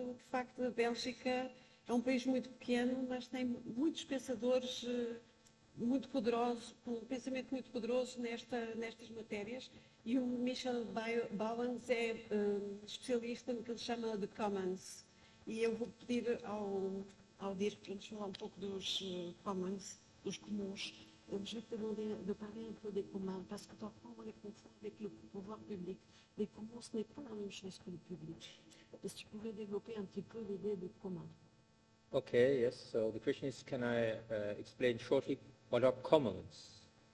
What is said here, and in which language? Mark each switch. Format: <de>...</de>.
<pt>De facto, a Bélgica é um país muito pequeno, mas tem muitos pensadores muito poderosos, com um pensamento muito poderoso nestas matérias. E o Michel Bauens é especialista no que ele chama de commons. E eu vou pedir ao Dirk para nos falar um pouco dos commons, dos comuns.</pt> <fr>Je vais te demander de parler un peu des communs, parce que parfois on les confond avec le pouvoir public. Les communs, ce n'est pas la même chose que le public. Est-ce que tu pouvais développer un petit peu l'idée des communs?</fr> <en>Okay, yes. So the question is, can I explain shortly what are commons?</en>